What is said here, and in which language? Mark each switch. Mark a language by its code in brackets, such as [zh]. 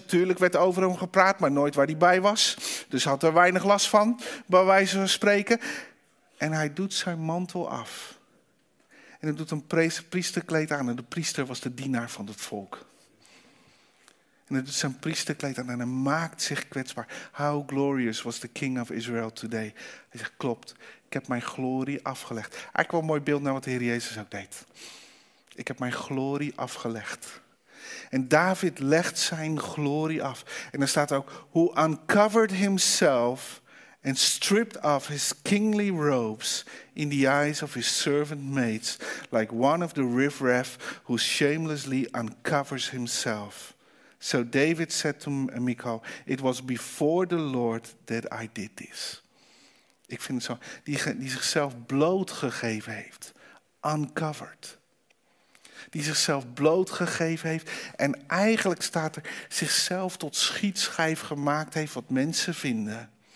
[nl] Natuurlijk werd over hem gepraat, maar nooit waar hij bij was. Dus had er weinig last van, bij wijze van spreken. En hij doet zijn mantel af. En hij doet een priesterkleed aan. En de priester was de dienaar van het volk. En hij doet zijn priesterkleed aan en hij maakt zich kwetsbaar. [en] How glorious was the king of Israel today? [nl] Hij zegt, klopt, ik heb mijn glorie afgelegd. Eigenlijk wel een mooi beeld naar wat de Heer Jezus ook deed. Ik heb mijn glorie afgelegd. En David legt zijn glorie af. En dan staat er ook, [en] who uncovered himself and stripped off his kingly robes in the eyes of his servant maids, like one of the riffraff who shamelessly uncovers himself. So David said to Michal, it was before the Lord that I did this. [nl] Ik vind het zo, die zichzelf blootgegeven heeft. Uncovered. Die zichzelf blootgegeven heeft en eigenlijk staat er, zichzelf tot schietschijf gemaakt heeft wat mensen vinden.